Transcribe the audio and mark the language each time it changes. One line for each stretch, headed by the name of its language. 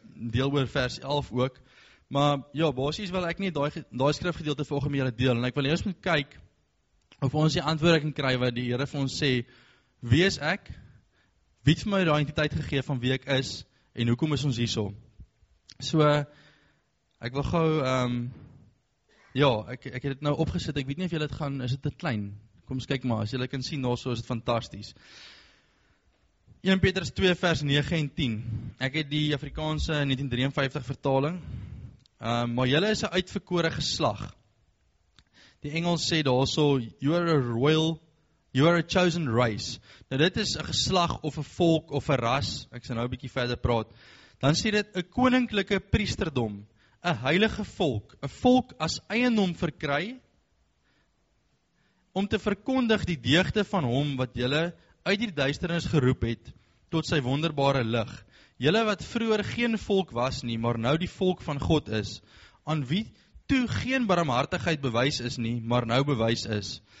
Afrikaans: deel oor vers 11 ook, maar ja, basies wil ek nie daai skrifgedeelte vanoggend met julle deel, en ek wil eers moet kyk, of ons die antwoorde kan kry, wat die Here vir ons sê, wie is ek, wie het vir my die identiteit gegee van wie ek is, en hoekom is ons hierso? So, ek wil gou, ek het dit nou opgesit, ek weet nie of julle het gaan, is dit te klein? Kom ons kyk maar, as julle kan sien, nou so is dit fantasties. 1 Petrus 2 vers 9 en 10, ek het die Afrikaanse 1953 vertaling, maar julle is 'n uitverkore geslag, die Engels sê daar so,
English: you are a chosen race.
Afrikaans: Nou dit is 'n geslag of 'n volk of 'n ras, ek sal nou 'n bietjie verder praat. Dan sê dit 'n koninklike priesterdom, 'n heilige volk, 'n volk as eiendom verkry, om te verkondig die deugde van hom wat julle uit die duisternis geroep het, tot sy wonderbare lig. Julle wat vroeger geen volk was nie, maar nou die volk van God is, aan wie toe geen barmhartigheid bewys is nie, maar nou bewys is.